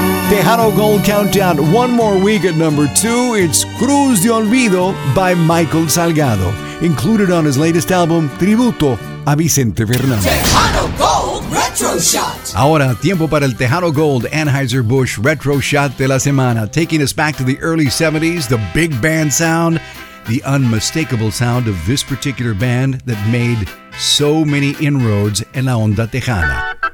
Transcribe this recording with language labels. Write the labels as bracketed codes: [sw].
[en] Tejano Gold Countdown, one more week at number two. It's Cruz de Olvido by Michael Salgado, included on his latest album, Tributo a Vicente Fernández. Tejano Gold Retro Shot. [es] Ahora, tiempo para el Tejano Gold Anheuser-Busch Retro Shot de la Semana. [en] Taking us back to the early 70s, the big band sound, the unmistakable sound of this particular band that made so many inroads [es] en la onda tejana.